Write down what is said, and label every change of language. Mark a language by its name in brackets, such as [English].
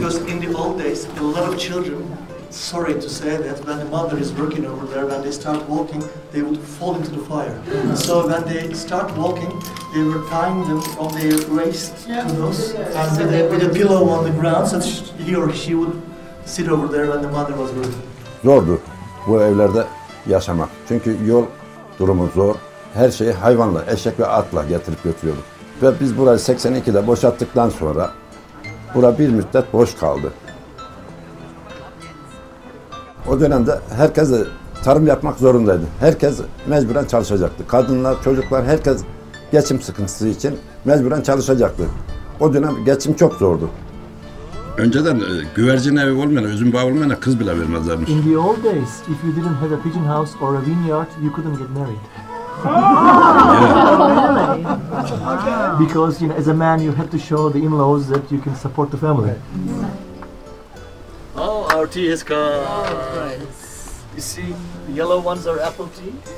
[English] Because in the old days, a lot of children, sorry to say that, when the mother is working over there, when they start walking, they would fall into the fire. Mm-hmm. So when they start walking, they were tying them from their waist to those, and so they put a pillow on the ground, so he or she would sit over there when the mother was working. [Turkish] Zordu bu evlerde yaşamak, çünkü yol durumu zor. Her şeyi hayvanla, eşek ve atla getirip götürüyorduk. Ve biz burayı 82'de boşalttıktan sonra bura bir müddet boş kaldı. O dönemde herkes tarım yapmak zorundaydı. Herkes mecburen çalışacaktı. Kadınlar, çocuklar, herkes geçim sıkıntısı için mecburen çalışacaktı. O dönem geçim çok zordu. Önceden güvercin evi olmayana, üzüm bağı olmayana kız bile vermezlermiş. [English] In the old days, if you didn't have a pigeon house or a vineyard, you couldn't get married. Because, you know, as a man, you have to show the in-laws that you can support the family. Oh, our tea has come. Oh, you see, the yellow ones are apple tea.